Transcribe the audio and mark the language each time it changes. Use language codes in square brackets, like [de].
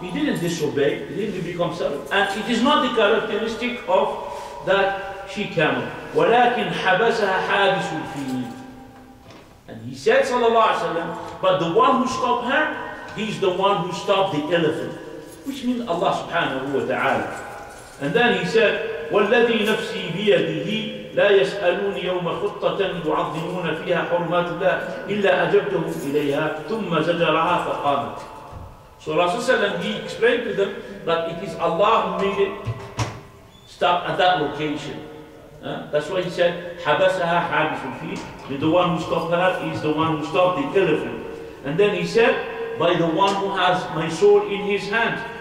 [en] he didn't disobey, he didn't become servant, and it is not the characteristic of that she camel. [ar] ولكن حبسها حابس الفيل. [en] And he said, sallallahu alayhi wa sallam, but the one who stopped her, he's the one who stopped the elephant, which means Allah subhanahu wa ta'ala. And then he said, [ar] والذي نفسي بيده لا يسألون يوم خطة يعظمون فيها حرمات الله إلا أجبته إليها ثم زجرها فقامت. [en] So Rasulullah he explained to them that it is Allah who made it stop at that location. That's why he said, [ar] حبسها حابس الفيل. [en] The one who stopped that is the one who stopped the elephant. And then he said, by the one who has my soul in his hand.